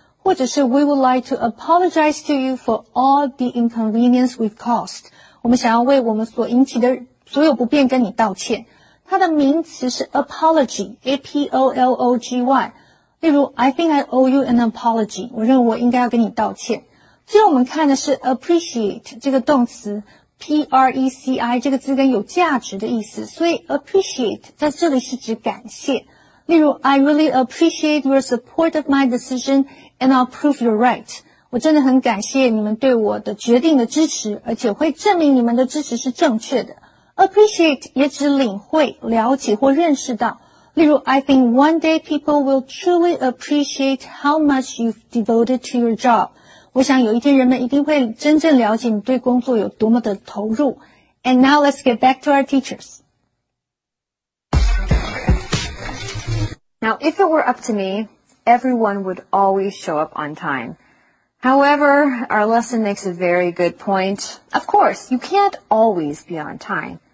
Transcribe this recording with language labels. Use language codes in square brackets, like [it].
[zh] 或者是 [en] We would like to apologize to you for all the inconvenience we've caused. [zh] 我们想要为我们所引起的所有不便跟你道歉。它的名词是 apology, A-P-O-L-O-G-Y. 例如 [en] I think I owe you an apology, [zh] 我认为我应该要跟你道歉。最后我们看的是 appreciate 这个动词 P-R-E-C-I 这个字根有价值的意思，所以 appreciate 在这里是指感谢。 [en] 例如 I really appreciate your support of my decision and I'll prove you're right, [zh] 我真的很感谢你们对我的决定的支持，而且会证明你们的支持是正确的。 Appreciate 也指领会、了解或认识到。例如 [en] I think one day people will truly appreciate how much you've devoted to your job. [zh] 我想有一天人们一定会真正了解你对工作有多么的投入。 [en] And now let's get back to our teachers. Now, if it were up to me, everyone would always show up on time. However, our lesson makes a very good point. Of course, you can't always be on time.